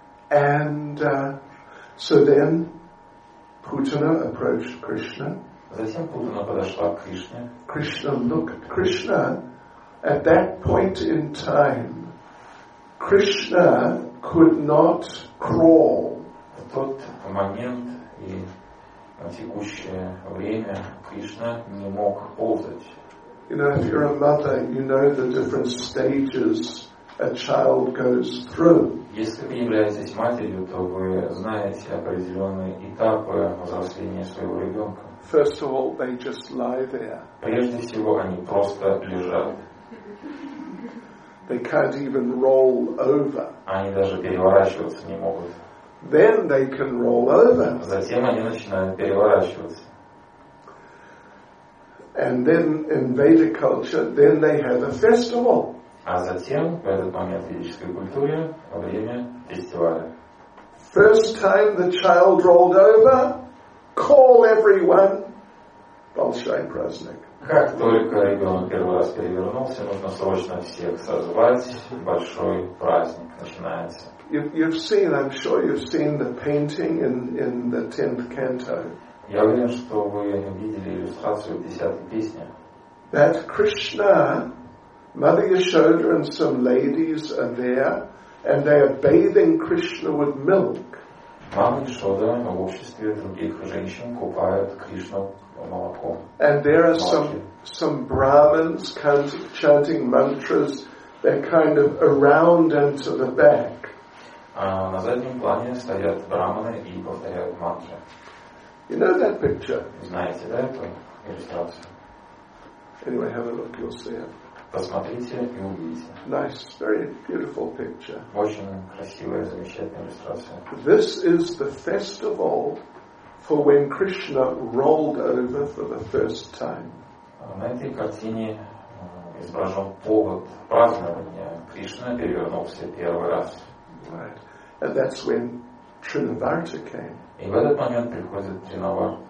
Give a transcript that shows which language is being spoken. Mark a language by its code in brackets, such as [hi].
[en] And so then Путина approached Krishna. [ru] Затем Путина подошла к Кришне. [en] Krishna looked. Krishna, at that point in time, Krishna could not crawl. [ru] В тот момент и на текущее время Кришна не мог ползать. [en] You know, if you're a mother, you know the different stages a child goes through. [ru] Если вы являетесь матерью, то вы знаете определенные этапы взросления своего ребенка. [en] First of all, they just lie there. [ru] Прежде всего, они просто лежат. [en] They can't even roll over. [ru] Они даже переворачиваться не могут. [en] Then they can roll over. [ru] Затем они начинают переворачиваться. [en] And then in Vedic culture, then they have a festival. [ru] А затем в этот момент в ведической культуре время фестиваля. [en] First time the child rolled over, call everyone. [ru] Большой праздник. Как только ребенок первый раз перевернулся, нужно срочно всех созвать. Большой праздник начинается. [en] You've seen, I'm sure you've seen the painting in the 10th canto. [ru] Я уверен, что вы видели иллюстрацию десятой песни. [en] That Krishna, Mother Yashoda and some ladies are there, and they are bathing Krishna with milk. [ru] Мама Яшода в обществе других женщин купает Кришну молоком. [en] And there are some Brahmins chanting mantras. They're kind of around and to the back. [ru] На заднем плане стоят брахманы и повторяют мантры. [en] You know that picture? [ru] Знаете, да, эту иллюстрацию? [en] Anyway, have a look, you'll see it. [ru] Посмотрите и увидите. [en] Nice, very beautiful picture. [ru] Очень красивая, замечательная иллюстрация. [en] This is the festival for when Krishna rolled over for the first time. [ru] На этой картине изображен повод празднования. Кришна перевернулся первый раз. [en] Right. And that's when Trinavarta came. [ru] И в этот момент приходит Тринаварта.